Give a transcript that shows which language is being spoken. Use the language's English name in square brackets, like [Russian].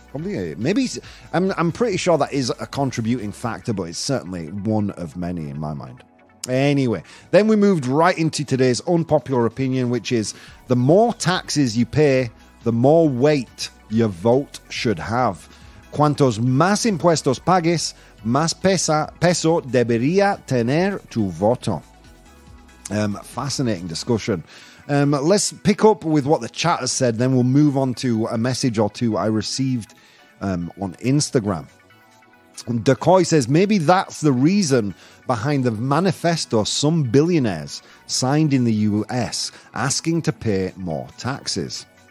[English] I'm pretty sure that is a contributing factor, but it's certainly one of many in my mind. Anyway, then we moved right into today's unpopular opinion, which is the more taxes you pay, the more weight your vote should have. [Spanish] Cuantos más impuestos pagues, más peso debería tener tu voto. [English] Fascinating discussion. Let's pick up with what the chat has said, then we'll move on to a message or two I received on Instagram. Decoy says, maybe that's the reason behind the manifesto some billionaires signed in the US asking to pay more taxes.